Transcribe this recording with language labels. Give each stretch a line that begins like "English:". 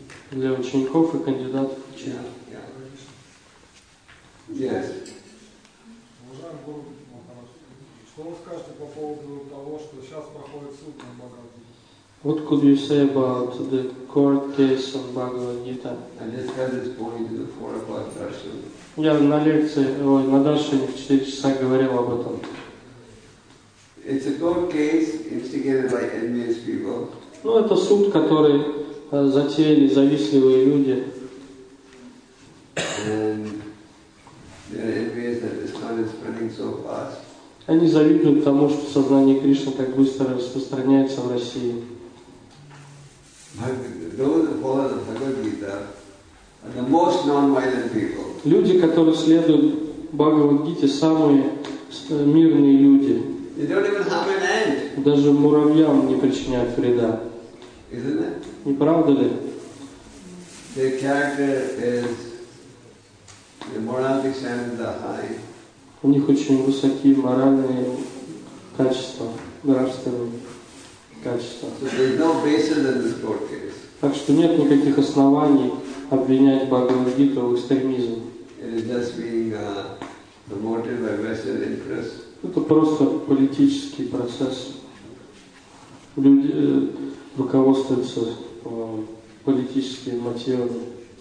Russian: Для учеников и кандидатов в ученики. Уважаемый Гуру Махарадж, что вы скажете по поводу того, что сейчас проходит суд на Бхагавад-гите?
English: What could you say about the court case on Бхагавад-гита? I just got this point in the 4 o'clock darshan.
Russian: Я на лекции, на даршане в 4 часа говорил об этом.
English: It's a court case instigated by envious people.
Russian: Ну, это суд, который затеяли завистливые люди.
English: And they're envious that this kind is spreading so fast.
Russian: Они завидуют тому, что сознание Кришны так быстро распространяется в России.
English: But those who follow the Bhagavad Gita are the most non-violent people.
Russian: Люди, которые следуют Бхагавад Гите, самые мирные люди.
English: They don't even harm an ant.
Russian: Даже муравьям не причиняют вреда.
English: Isn't it?
Russian: Не правда ли?
English: Their character is the morality standards are high.
Russian: У них очень высокие моральные качества, нравственные. качества.
English: So there's no basis in this court case.
Russian: Так что нет никаких оснований обвинять Бхагавад-гиту в экстремизме.
English: It is just being promoted by vested interests.
Russian: Это просто политический процесс. Люди руководствуются политическими мотивами.